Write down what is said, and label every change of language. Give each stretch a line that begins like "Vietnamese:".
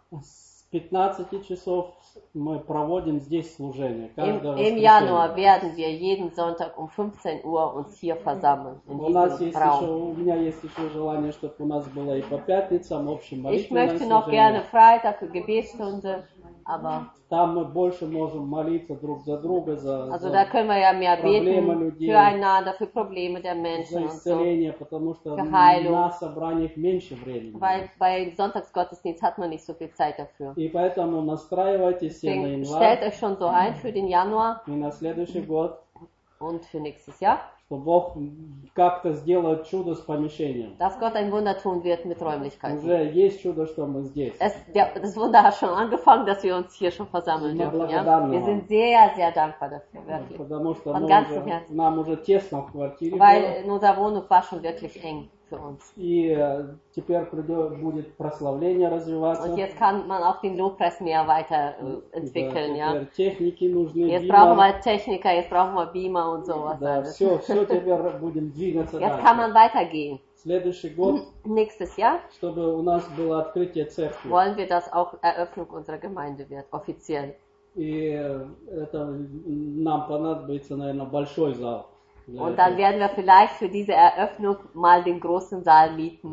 Russian: С 15 часов мы проводим здесь служение.
German: Im Januar werden wir jeden Sonntag 15 Uhr uns hier versammeln.
Russian: У меня есть еще желание, чтобы у нас было и по пятницам общим молитвенное служение.
German: Ich möchte noch gerne Freitag Gebetsstunde, aber
Russian: там мы больше можем молиться друг за друга, за
German: also da können wir ja mehr beten füreinander, für Probleme der Menschen und so.
Russian: За исцеление, потому что на собраниях меньше времени.
German: Weil bei Sonntagsgottesdienst hat man nicht so viel Zeit dafür.
Russian: И поэтому настраивайтесь
German: deswegen
Russian: на январь.
German: Stellt euch schon so ein für den Januar.
Russian: И на следующий год.
German: Und für nächstes Jahr.
Russian: Что Бог как-то сделает чудо с помещением.
German: Dass Gott ein Wunder tun wird mit Räumlichkeiten.
Russian: Уже есть чудо, что мы здесь.
German: Das Wunder hat schon angefangen, dass wir uns hier schon versammeln dürfen. Wir sind sehr, sehr dankbar dafür.
Russian: Потому что нам уже тесно в квартире.
German: Weil unser Wohnung war schon wirklich eng für uns.
Russian: И теперь будет прославление развиваться.
German: Und jetzt kann man auch den Lobpreis mehr weiter entwickeln, ja.
Russian: Техники нужны.
German: Jetzt brauchen wir Techniker, jetzt brauchen wir Beamer und sowas.
Russian: Да, все теперь будем двигаться дальше.
German: Jetzt kann man weitergehen.
Russian: Следующий год.
German: Nächstes Jahr.
Russian: Чтобы у нас было открытие церкви.
German: Wollen wir, dass auch Eröffnung unserer Gemeinde wird, offiziell.
Russian: И это нам понадобится, наверное, большой зал.
German: Und dann werden wir vielleicht für diese Eröffnung mal den großen Saal mieten.